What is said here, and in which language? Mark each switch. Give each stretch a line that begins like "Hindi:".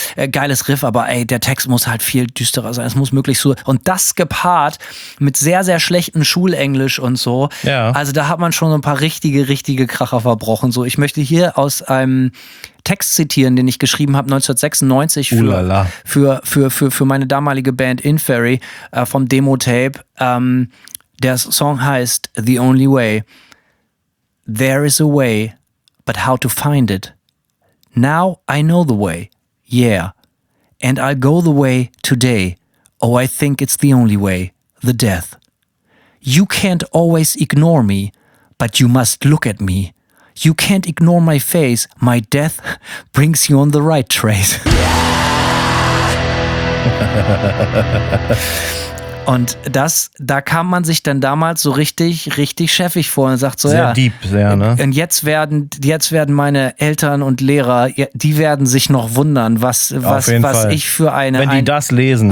German: geiles Riff, aber ey, der Text muss halt viel düsterer sein, es muss möglichst so, und das gepaart mit sehr, sehr schlechtem Schulenglisch und so, also da hat man schon so ein paar richtige Kracher verbrochen. So, ich möchte hier aus einem Text zitieren, den ich geschrieben habe 1996 für meine damalige Band Inferi vom Demo-Tape. Der Song heißt The Only Way.
English: There is a way, but how to find it? Now I know the way, yeah. And I'll go the way today. Oh, I think it's the only way, the death. You can't always ignore me, but you must look at me. You can't ignore my face. My death brings you on the right trace.
German: Und das, da kam man sich dann damals so richtig, richtig schäffig vor und sagt so, sehr ja. Sehr deep, sehr, ne? Und jetzt werden meine Eltern und Lehrer, die werden sich noch wundern, was ich für eine, wenn die das lesen,